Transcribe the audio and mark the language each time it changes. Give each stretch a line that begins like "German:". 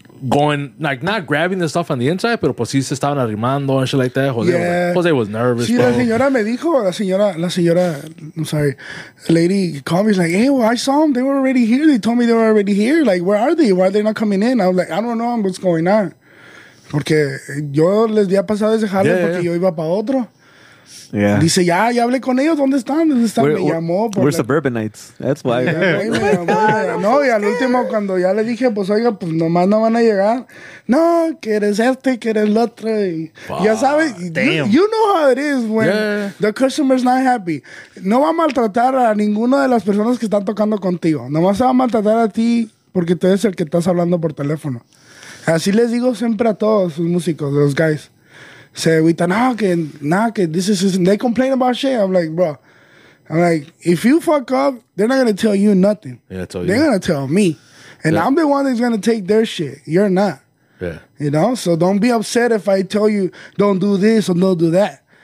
English: Going like not grabbing the stuff on the inside,
Spanish: pero pues sí se estaban arrimando
English: and shit like that. Jose was nervous.
Spanish: Sí,
English: bro.
Spanish: La señora,
English: I'm sorry, lady called me. She's like, hey, well, I saw them. They were already here. They told me they were already here. Like, where are they? Why are they not coming in? I was like, I don't know what's going on.
Spanish: Porque yo les había pasado ese jale porque yo iba para otro.
English: Yeah.
Spanish: Dice, ya hablé con ellos. ¿Dónde están? ¿Dónde están? Me llamó.
English: We're like, suburbanites. That's why.
Spanish: No, y al último, cuando ya le dije, pues oiga, pues nomás no van a llegar. No, que eres este, que eres el otro. Y ya sabes,
English: you know how it is when the customer's not happy.
Spanish: No va a maltratar a ninguna de las personas que están tocando contigo. Nomás se va a maltratar a ti porque tú eres el que estás hablando por teléfono. Así les digo siempre a todos sus músicos, los guys.
English: Say, we thought, they complain about shit. I'm like, bro, if you fuck up, they're not going to tell you nothing. Yeah, they're going to tell me. And I'm the one that's going to take their shit. You're not. Yeah. You know? So don't be upset if I tell you, don't do this or don't do that.